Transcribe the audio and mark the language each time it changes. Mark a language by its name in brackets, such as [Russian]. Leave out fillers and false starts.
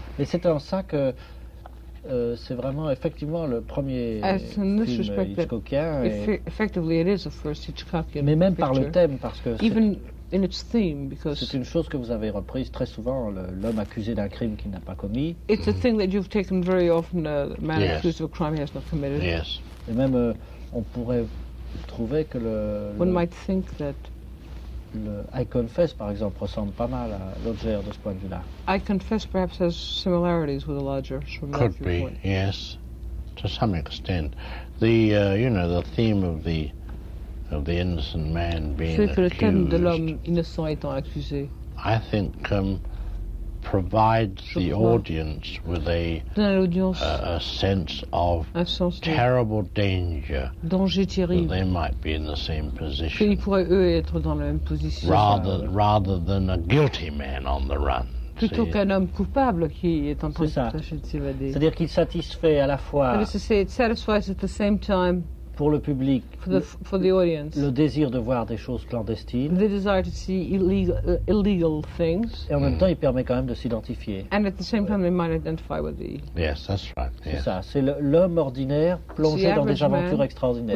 [French] Et c'est en ça que c'est vraiment effectivement le premier film hitchcockien. [English] Effectively, it is the first Hitchcockian. [French] Mais même [English] picture. [French] Par le thème, parce que. [English] Even in its theme, because [French] c'est une chose que vous avez reprise très souvent, l'homme accusé d'un crime qu'il n'a pas commis. [English] It's a thing that you've taken very often, the man yes. accused of a crime he has not committed. Yes. [French] Et même, on pourrait trouver que [English] one might think that [French] le I Confess, par exemple, ressemble pas mal à Lodger de ce point de vue-là. [English] I Confess perhaps has similarities with a Lodger. Could be, yes, to some extent. The, you know, the theme of the of the innocent man being [French] c'est [English] accused. [French] Que le thème de l'homme innocent étant accusé. [English] I think provides [French] je [English] the [French] crois. [English] Audience with a sense of [French] sens [English] terrible danger. [French] Danger terrible. [English] That they might be in the same position. [French] Qu'ils pourraient eux être dans la même position. [English] Rather than a guilty man on the run. [French] plutôt qu'un homme coupable qui est en train de tâcher de s'évader. C'est-à-dire qu'il satisfait à la fois. [English] That is to say, it satisfies at the same time. [French] Pour le public. [English] For the audience. [French] Le désir de voir des choses clandestines. [English] The desire to see illegal things. [French] Et en même temps, il permet quand même de s'identifier. [English] And at the same time, they might identify with the. Yes, that's right. [French] C'est ça. C'est l'homme ordinaire plongé dans des aventures extraordinaires.